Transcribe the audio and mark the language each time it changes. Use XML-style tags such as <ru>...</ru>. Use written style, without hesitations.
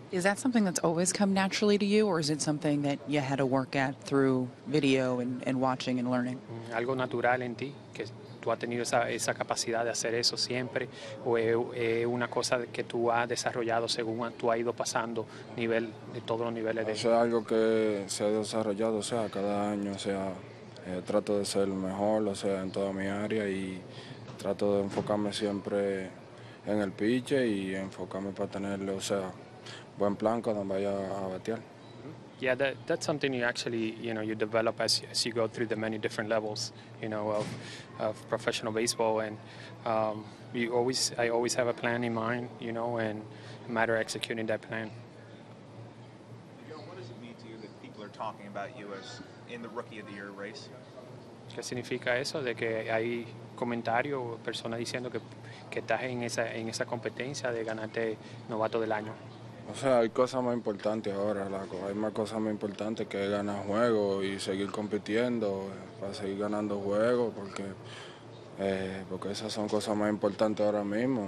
<en>Is that something that's always come naturally to you, or is it something that you had to work at through video and watching and learning?</en> <es>Algo natural en ti, que tú has tenido esa capacidad de hacer eso siempre, o es una cosa que tú has desarrollado según tú has ido pasando nivel de todos los niveles O de. sea, algo que se ha desarrollado, o sea, cada año, o sea, trato de ser mejor, o sea, en toda mi área y trato de enfocarme siempre en el piche y enfocarme para tenerle, o sea, buen plan cuando vaya a batear.</es> <en>Yeah, that's something you actually, you develop as you go through the many different levels, of professional baseball. And I always have a plan in mind, and a matter of executing that plan. What does it mean to you that people are talking about you as in the Rookie of the Year race?</en> <es>¿Qué significa eso de que hay comentarios o personas diciendo que estás en esa competencia de ganarte novato del año? O sea, hay cosas más importantes ahora, Laco. Hay más cosas más importantes que ganar juegos y seguir compitiendo para seguir ganando juegos, porque esas son cosas más importantes ahora mismo.</es>